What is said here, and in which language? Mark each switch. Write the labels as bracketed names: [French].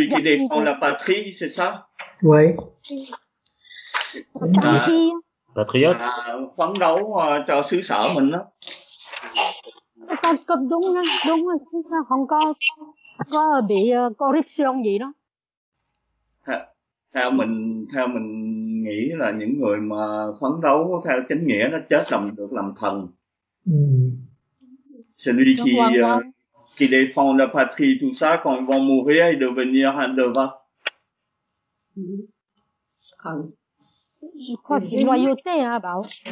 [French] C'est celui qui défend la patrie, c'est ça? Oui. Patriote. [Vietnamese] Phấn đấu cho xứ sở mình đó. Có đúng đó, đúng đó, không có có bị corruption gì đó. Theo mình nghĩ là những người mà phấn đấu theo chánh nghĩa nó chết làm được làm thần. [French] Celui qui qui défend la patrie, tout ça, quand ils vont mourir et devenir un devant. Je crois que c'est loyauté, hein, Bao.